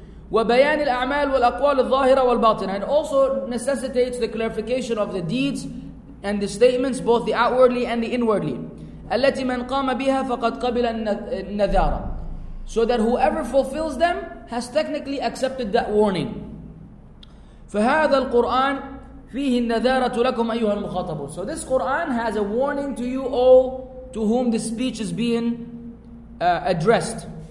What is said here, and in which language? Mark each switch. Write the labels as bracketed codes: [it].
[ar] وَبَيَانِ الْأَعْمَالِ وَالْأَقْوَالِ الظَّاهِرَ وَالْبَاطِنَ. [en] It also necessitates the clarification of the deeds and the statements, both the outwardly and the inwardly. [ar] الَّتِي مَنْ قَامَ بِهَا فَقَدْ قَبِلَ النَّذَارَ. [en] So that whoever fulfills them has technically accepted that warning. [ar] فهذا القرآن فيه النذارة لكم أيها المخاطبون. [en] So this Quran has a warning to you all to whom this speech is being addressed.